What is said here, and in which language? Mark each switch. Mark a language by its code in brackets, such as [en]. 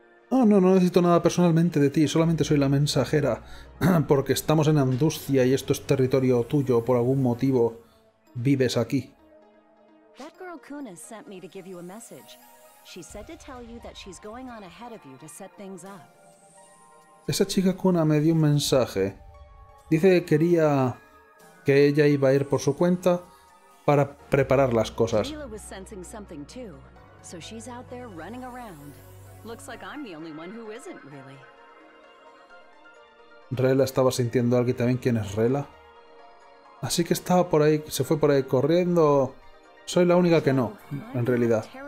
[es] Oh, no, no necesito nada personalmente de ti, solamente soy la mensajera. Porque estamos en Andúzia y esto es territorio tuyo, por algún motivo vives aquí. [en] That girl Kuna sent me to give you a message. She said to tell you that she's going on ahead of you to set things up. [es] Esa chica Kuna me dio un mensaje. Dice que quería que ella iba a ir por su cuenta para preparar las cosas. [en] Kayla was sensing something too, so she's out there running around. Looks like I'm the only one who isn't really. [es] Rela estaba sintiendo algo y también quién es Rela. Así que estaba por ahí, se fue por ahí corriendo. Soy la única que no, en realidad.